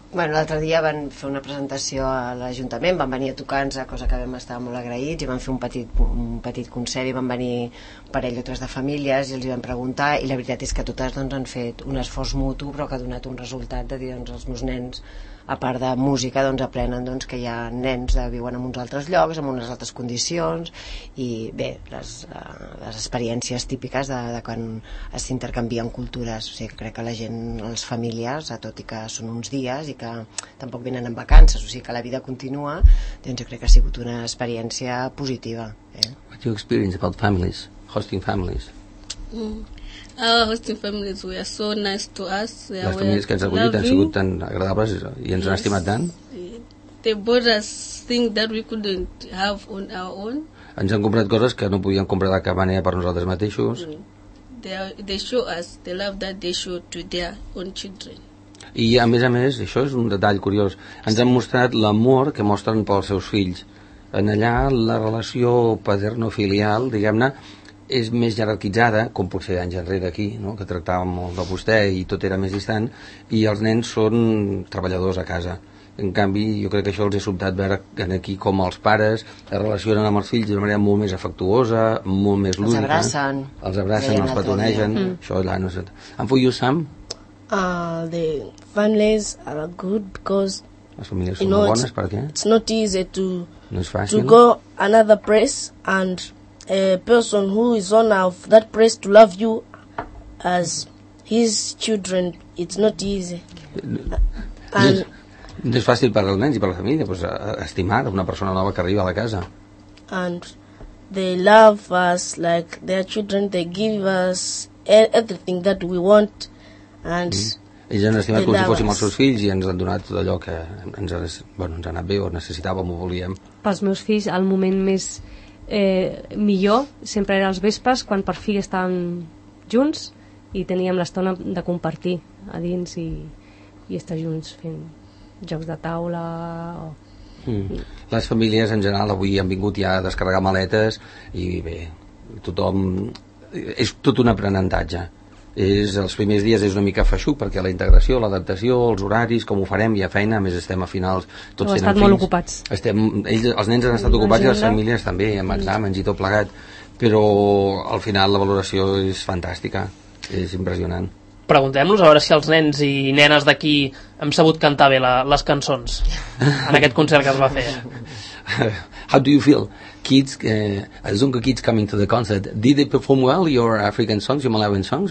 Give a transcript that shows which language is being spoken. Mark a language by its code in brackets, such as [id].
[ca] Bueno, l'altre dia van fer una presentació a l'Ajuntament, van venir a tocar-nos, cosa que vam estar molt agraïts, i van fer un petit concert, i van venir parell o tres de famílies, i els hi vam preguntar, i la veritat és que totes, doncs, han fet un esforç mutu, però que ha donat un resultat de dir, doncs, els meus nens, a part de música, doncs, aprenen, doncs, que hi ha nens que viuen en uns altres llocs, en unes altres condicions, i bé, les experiències típiques de quan s'intercanvien cultures. O sigui, que crec que la gent, els familiars, tot i que són uns dies i que tampoc venen en vacances, o sigui que la vida continua, doncs jo crec que ha sigut una experiència positiva. [en] What do you experience about families, hosting families? Our hosting families were so nice to us. [ca] Les famílies que ens han acollit han sigut tan agradables i ens han estimat tant. [en] They bought us things that we couldn't have on our own. [ca] Ens han comprat coses que no podíem comprar de cap manera per nosaltres mateixos. [en] They show us the love that they show to their own children. [ca] I a més, això és un detall curiós, ens han mostrat l'amor que mostren pels seus fills. En allà la relació paterno-filial, diguem-ne, és més jerarquitzada, com potser anys enrere aquí, no?, que tractàvem molt de vostè i tot era més distant, i els nens són treballadors a casa. En canvi, jo crec que això els he sobtat veure aquí com els pares es relacionen amb els fills d'una manera molt més afectuosa, molt més lúdica. Els abracen. Els abracen, els petonegen. Això allà no sé. And for you, Sam? [en] The families are good because... [ca] Les famílies són molt bones, per què? [en] It's not easy to... [ca] No és fàcil. [en] To go another place and... A person who is on of that place to love you as his children, it's not easy. [ca] No és fàcil per als nens i per a la família, pues, estimar una persona nova que arriba a la casa. [en] And they love us like their children, they give us everything that we want. And [ca] Ells han estimat com si fóssim els seus fills i ens han donat tot allò que ens, bueno, ens ha anat bé o necessitàvem o volíem. Pels meus fills, el moment més millor sempre era els vespres, quan per fi estàvem junts i teníem l'estona de compartir a dins i estar junts fent jocs de taula o... Les famílies en general avui han vingut ja a descarregar maletes i bé, tothom... És tot un aprenentatge. És, els primers dies és una mica feixuc perquè la integració, l'adaptació, els horaris, com ho farem, hi ha feina, a més estem a finals, tots tenen fills. Molt ocupats. Estem, ells, els nens han estat ocupats i les famílies també, amb exàmens i tot plegat, però al final la valoració és fantàstica, és impressionant. Preguntem-los a veure si els nens i nenes d'aquí han sabut cantar bé les cançons en aquest concert que es va fer. [en] How do you feel? Kids, Zunga kids coming to the concert, did they perform well, your African songs, your Malawian songs?